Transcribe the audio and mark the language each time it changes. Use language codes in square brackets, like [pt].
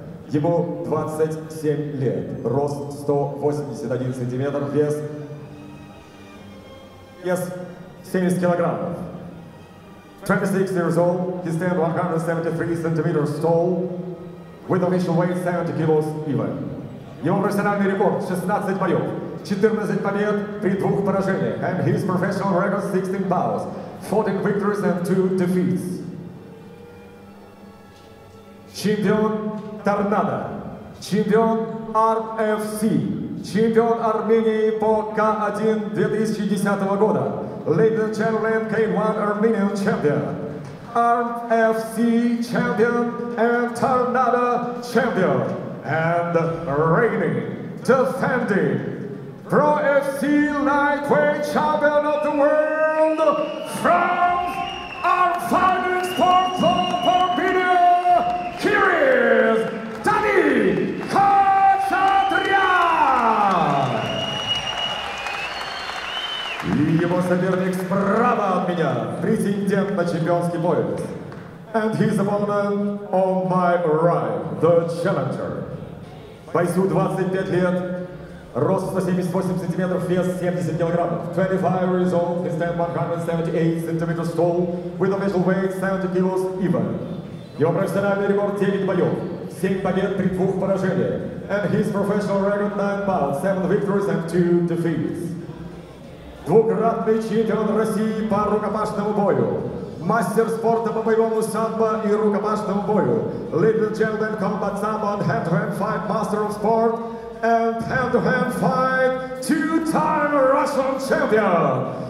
[ru] Ему 27 лет, рост 181 сантиметр, вес 70 килограммов. [en] 26 years old, he stands 173 centimeters tall, with official weight 70 kilos even. [ru] Его профессиональный рекорд 16 боев. 14 побед при 2 поражениях. [en] And his professional record 16 bouts, 14 victories and 2 defeats. [ru] чемпион Торнадо, чемпион RFC, чемпион Армении по К1 2010 года, [en] Ladies and Gentlemen, K1 Armenian Champion, RFC Champion and Торнадо Champion, and reigning, defending, Pro FC Lightweight Champion of the World, France, our finest sport club for media, here is Dani Khachatryan! [ru] И его соперник справа от меня, претендент на чемпионский пояс. [en] And his opponent on my right, the challenger. [ru] Бойцу 25 лет. Рост 178 сантиметров, вес 70 килограммов. [en] 25 years old, he stands 178 centimeters tall, with a measured weight 70 kilos even. [ru] Его профессиональный рекорд 9 боев, 7 побед при 2 поражениях. [en] And his professional record 9 bouts, 7 victories and 2 defeats. [ru] Двукратный чемпион России по рукопашному бою. Мастер спорта по боевому самбо и рукопашному бою. [en] Ladies and gentlemen, combat samba and hand-to-hand fight, master of sport. And hand-to-hand fight, two-time Russian champion.